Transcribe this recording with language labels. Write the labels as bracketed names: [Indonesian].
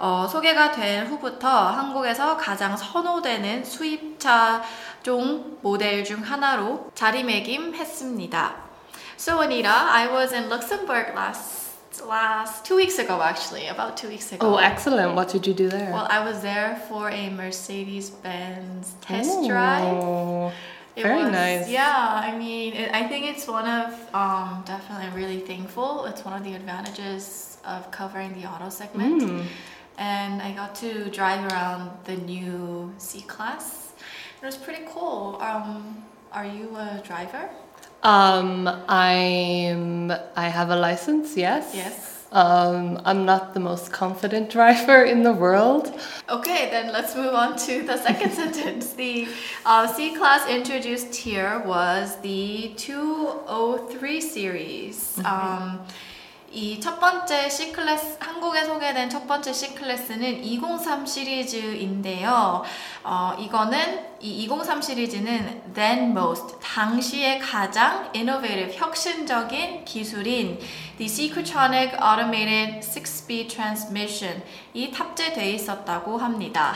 [Korean] 소개가 된 후부터 한국에서 가장 선호되는 수입차 종 모델 중 하나로 자리매김했습니다. [English] So Anita, I was in Luxembourg about two weeks ago. Oh, excellent. What did you do there? Well, I was there for a Mercedes-Benz test drive. Very nice. Yeah, I mean, I think it's one of, definitely really thankful. It's one of the advantages of covering the auto segment. Mm. And I got to drive around the new C-Class. It was pretty cool. Are you a driver? I have a license, yes. Yes. I'm not the most confident driver in the world. Okay, then let's move on to the second sentence. The C-Class introduced here was the 203 series. Mm-hmm. [Korean] 이 첫 번째 C클래스, 한국에 소개된 첫 번째 C클래스는 203 시리즈인데요. 이 203 시리즈는 [English] then most, [Korean] 당시에 가장 [English] innovative, [Korean] 혁신적인 기술인 the C-Quintronic Automated 6-Speed Transmission이 탑재되어 있었다고 합니다.